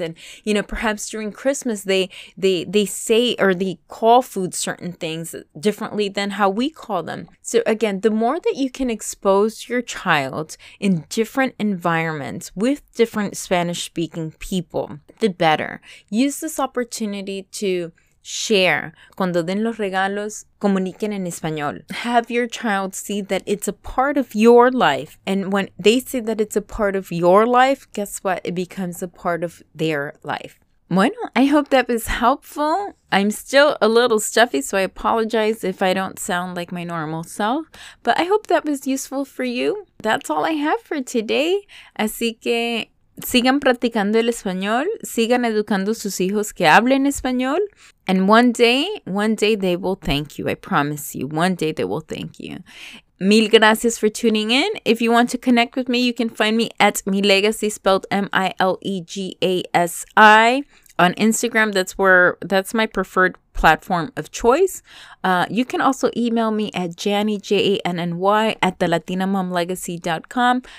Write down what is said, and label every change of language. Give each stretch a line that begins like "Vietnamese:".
English: And you know, perhaps during Christmas they say or they call food certain things differently than how we call them. So again, the more that you can expose your child in different environments with different Spanish speaking people, the better. Use this opportunity to share.
Spanish: Cuando den los regalos, comuniquen en español.
English: Have your child see that it's a part of your life. And when they see that it's a part of your life, guess what? It becomes a part of their life. Bueno, I hope that was helpful. I'm still a little stuffy, so I apologize if I don't sound like my normal self. But I hope that was useful for you. That's all I have for today.
Spanish: Así que sigan practicando el español, sigan educando sus hijos que hablen español,
English: and one day they will thank you. I promise you, one day they will thank you.
Spanish: Mil gracias
English: for tuning in. If you want to connect with me, you can find me at Milegacy, spelled Milegasi, on Instagram. That's my preferred platform of choice. You can also email me at Janny, Janny, at thelatinamomlegacy.com.